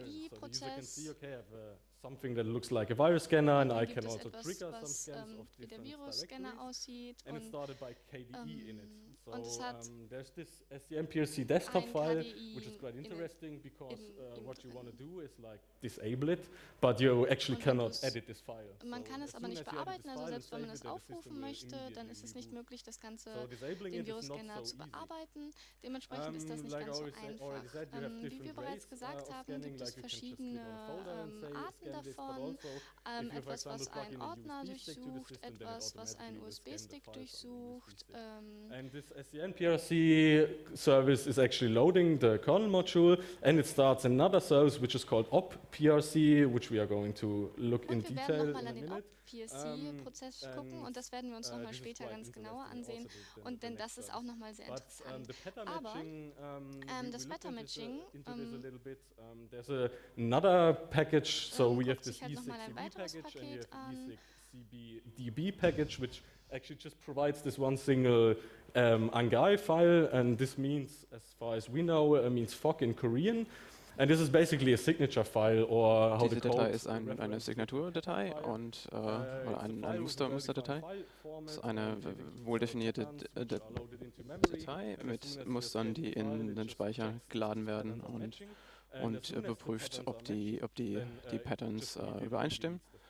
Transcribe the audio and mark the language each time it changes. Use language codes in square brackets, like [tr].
[en] So the user can see, okay, I have something that looks like a virus scanner, and I can also trigger some scans of different directories. And it's started by KDE in it. So there's this SDN-PRC desktop file, which is quite interesting, because what you want to do is like disable it, but you actually cannot edit this file. [de] Man kann es aber nicht bearbeiten, also selbst wenn man es aufrufen möchte, dann ist es nicht möglich, das Ganze, den Virus-Scanner zu bearbeiten. Dementsprechend ist das nicht ganz so einfach. Wie wir bereits gesagt haben, gibt es verschiedene Arten davon. Etwas, was einen Ordner durchsucht, etwas, was einen USB-Stick durchsucht. [en] And this SDN-PRC service is actually loading the kernel module, and it starts another service which is called OP-PRC, which we are going to look in detail in a minute. [de] PRC-Prozess gucken und das werden wir uns nochmal später ganz genauer ansehen und denn das ist auch nochmal sehr interessant. Aber das Pattern-Matching, [en] there's another package, so we have this E6CB-DB package, which actually just provides this one single ANGAI file, and this means, as far as we know, means fog in Korean. And this is basically a signature file, or how [de] diese [en] the code [de] Datei ist eine Signaturdatei und oder ein Musterdatei. Das ist eine wohl definierte Datei mit Mustern, die in den Speicher geladen werden und überprüft, ob die Patterns übereinstimmen.